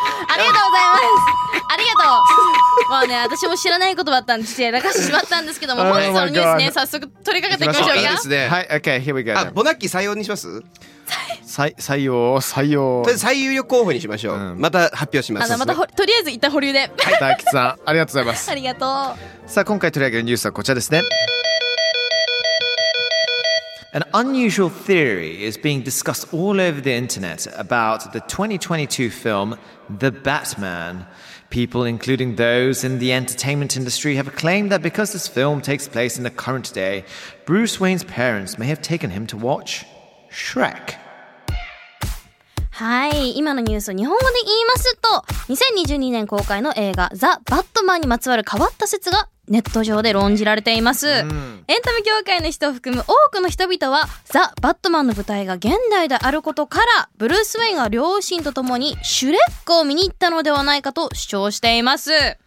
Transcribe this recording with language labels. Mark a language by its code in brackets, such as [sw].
[ja] ありがとうございます。ありがとう。もうね、私も知らない言葉だったんで、流してしまったんですけども、本日のニュースね、早速取り掛かっていきましょうか。ですね、 [en] はい、OK、Here we go。 [ja] あ、ボナッキー採用にします？採用。とりあえず最有力候補にしましょう。うん、また発表します。またとりあえず一旦保留で。はい、大吉さん、ありがとうございます。ありがとう。さあ、今回取り上げるニュースはこちらですね。 [en] An unusual theory is being discussed all over the internet about the 2022 film The Batman. People, including those in the entertainment industry, have claimed that because this film takes place in the current day, Bruce Wayne's parents may have taken him to watch Shrek. [ja] はい、今のニュースを日本語で言いますと、2022年公開の映画ザ・バットマンにまつわる変わった説がネット上で論じられています、エンタメ業界の人を含む多くの人々はザ・バットマンの舞台が現代であることからブルース・ウェインが両親と共にシュレックを見に行ったのではないかと主張しています。